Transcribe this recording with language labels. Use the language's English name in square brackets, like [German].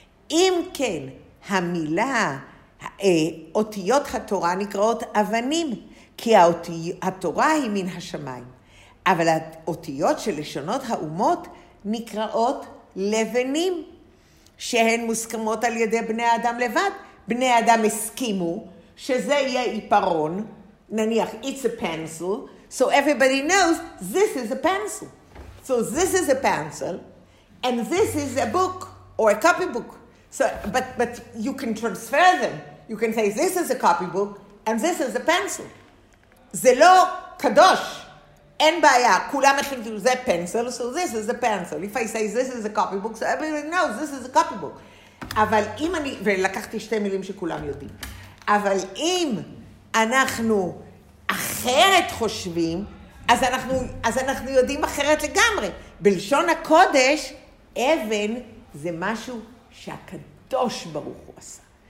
[Hebrew] אם כן, המילה, אותיות התורה נקראות אבנים, כי התורה היא מן השמיים, אבל האותיות של לשונות האומות נקראות לבנים, שהן מוסכמות על ידי בני האדם לבד. בני האדם הסכימו שזה יהיה עיפרון, נניח, [English] it's a pencil, so everybody knows this is a pencil. So this is a pencil, and this is a book, or a copy book. So, but you can transfer them. You can say this is a copy book, and this is a pencil. [Hebrew] זה לא קדוש, אין בעיה, כולם החליטו, זה פנסל, [English] so this is a pencil. If I say this is a copy book, so everybody knows this is a copy book. [Hebrew] אבל אם אני, ולקחתי שתי מילים שכולם יודעים, אבל אם אנחנו אחרת חושבים, אז אנחנו יודעים אחרת לגמרי. בלשון הקודש, אבן זה משהו שהקדוש ברוך הוא עשה.